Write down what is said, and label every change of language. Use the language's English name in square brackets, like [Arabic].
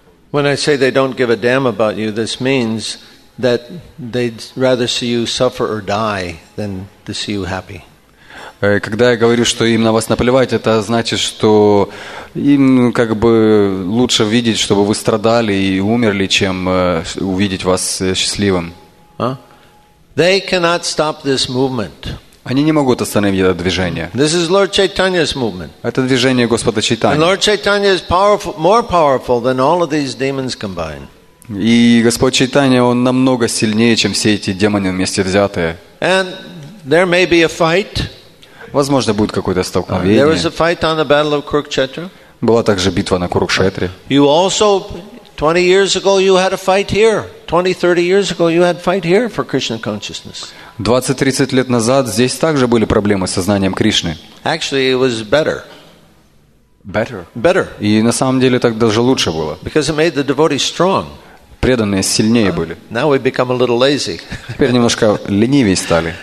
[English] When I say they don't give a damn about you, this means that they'd rather see you suffer or die than to see you happy. [Russian] Когда я говорю, что им на вас наплевать, это значит, что им как бы лучше видеть, чтобы вы страдали и умерли, чем увидеть вас счастливым. [English] They cannot stop this movement. [Russian] Они не могут остановить это движение. [English] This is Lord Chaitanya's movement. [Russian] Это движение Господа Чайтаньи. [English] And Lord Chaitanya is powerful, more powerful than all of these demons combined. [Russian] И Господь Чайтанья, он намного сильнее, чем все эти демоны вместе взятые. [English] And there may be a fight. [Russian] Возможно, будет какое-то столкновение. [English] There was a fight on the battle of Kurukshetra. [Russian] Была также битва на Курукшетре. [English] You also 20 years ago you had a fight here. 20-30 years ago you had a fight here for Krishna consciousness. [Russian] 20-30 лет назад здесь также были проблемы с сознанием Кришны. [English] Actually, it was better. Better? Better. [Russian] И на самом деле так даже лучше было. [English] Because it made the devotees strong. [Russian] Преданные сильнее были. [English] Now we become a little lazy. [Russian] Теперь немножко ленивее стали.